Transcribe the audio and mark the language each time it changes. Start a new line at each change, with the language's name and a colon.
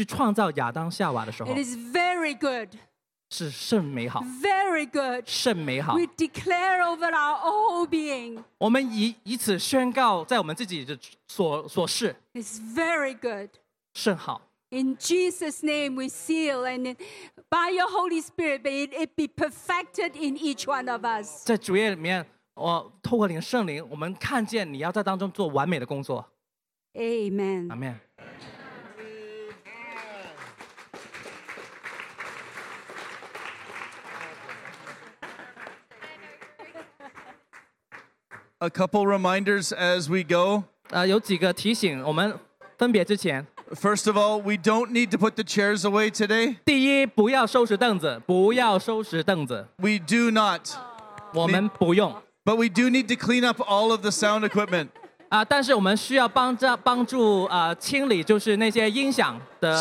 Chinese: 就像你在当天去创造亚当夏娃的时候。
English: It is very good.
Chinese: 是甚美好。
English: Very good.
Chinese: 甚美好。
English: We declare over our whole being.
Chinese: 我们以此宣告在我们自己的所事。
English: It's very good.
Chinese: 甚好。
English: In Jesus' name we seal and by your Holy Spirit may it be perfected in each one of us.
Chinese: 在主业里面，我透过你的圣灵，我们看见你要在当中做完美的工作。
English: Amen. Amen. A couple reminders as we go.
Chinese: 有几个提醒，我们分别之前。
English: First of all, we don't need to put the chairs away today.
Chinese: 第一，不要收拾凳子，不要收拾凳子。
English: We do not.
Chinese: 我们不用。
English: But we do need to clean up all of the sound equipment.
Chinese: 但是我们需要帮助清理，就是那些音响的。